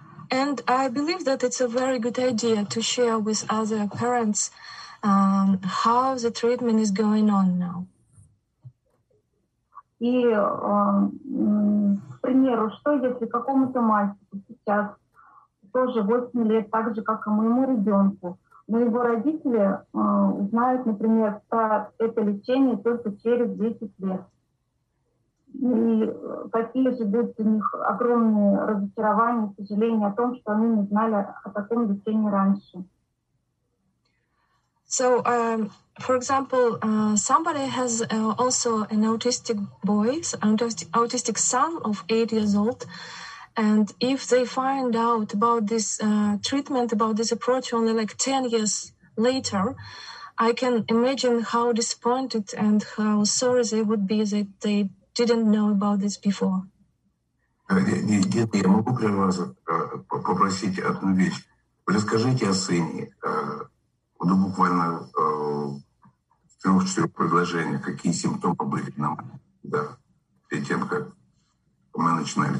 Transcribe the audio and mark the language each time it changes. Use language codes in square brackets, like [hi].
[en] And I believe that it's a very good idea to share with other parents how the treatment is going on now. [ru] И, к примеру, что если какому-то мальчику сейчас тоже 8 лет, так же, как и моему ребенку, но его родители знают, например, что это лечение только через 10 лет. И какие же будут у них огромные разочарования, сожаления о том, что они не знали о таком лечении раньше. [en] So, for example, somebody has also an autistic boy, autistic son of 8 years old, and if they find out about this treatment, about this approach only like 10 years later, I can imagine how disappointed and how sorry they would be that they didn't know about this before. [ru] Я могу при вас попросить одну вещь. Расскажите о сыне. Буквально в 3-4 предложениях, какие симптомы были нам перед тем, как мы начинали.